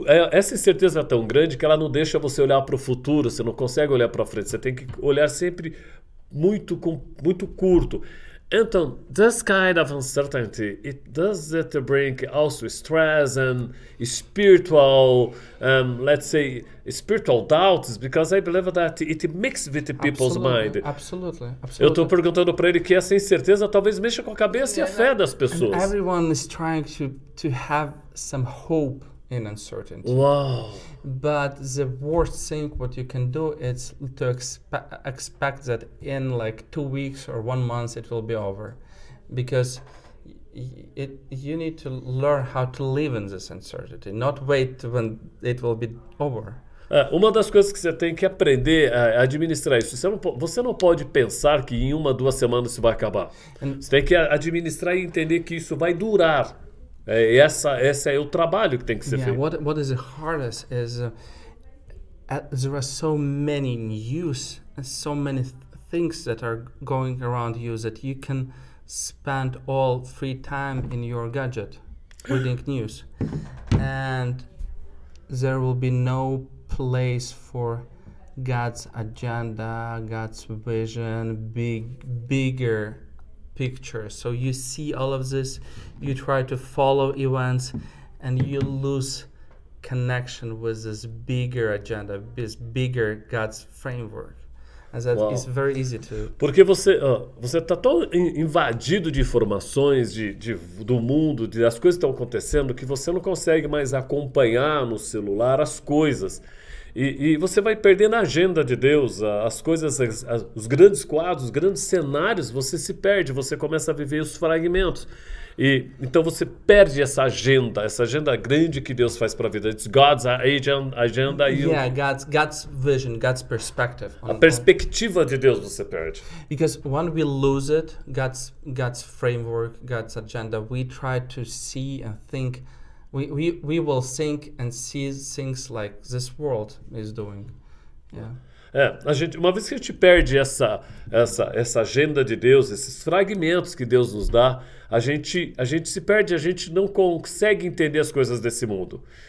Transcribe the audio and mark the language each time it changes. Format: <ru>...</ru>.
<pt>Essa incerteza é tão grande que ela não deixa você olhar para o futuro. Você não consegue olhar para frente. Você tem que olhar sempre muito curto.</pt> <en>Anton, this kind of uncertainty, does it bring also stress and spiritual, let's say, spiritual doubts? Because I believe that it mixes with the people's mind. Absolutely.</en> <pt>Eu estou perguntando para ele que essa incerteza talvez mexa com a cabeça e a fé das pessoas.</pt> <en>And everyone is trying to have some hope in uncertainty. Wow. But the worst thing what you can do is to expect that in like 2 weeks or 1 month it will be over. Because you need to learn how to live in this uncertainty, not wait when it will be over.</en> <pt>Uma das coisas que você tem que aprender é administrar isso. Você não pode pensar que em 1-2 semanas isso vai acabar. Você tem que administrar e entender que isso vai durar. Esse é o trabalho que tem que ser feito.</pt> <en>What is the hardest is there are so many news and so many things that are going around you that you can spend all free time in your gadget reading news. And there will be no place for God's agenda, God's vision, bigger picture. So you see all of this, you try to follow events, and you lose connection with this bigger agenda, this bigger God's framework. And that is very easy to.</en> <pt>Porque você está tão invadido de informações do mundo, das coisas que estão acontecendo, que você não consegue mais acompanhar no celular as coisas. E você vai perdendo a agenda de Deus, as coisas, os grandes quadros, os grandes cenários, você se perde, você começa a viver os fragmentos. E então você perde essa agenda grande que Deus faz para a vida.</pt> <en>It's God's agenda. Yeah, God's vision, God's perspective.</en> <pt>A perspectiva de Deus você perde.</pt> <en>Because when we lose it, God's framework, God's agenda, we try to see and think. We will think and see things like this world is doing. Yeah.</en> <pt>Uma vez que a gente perde essa agenda de Deus, esses fragmentos que Deus nos dá, a gente se perde, a gente não consegue entender as coisas desse mundo.</pt>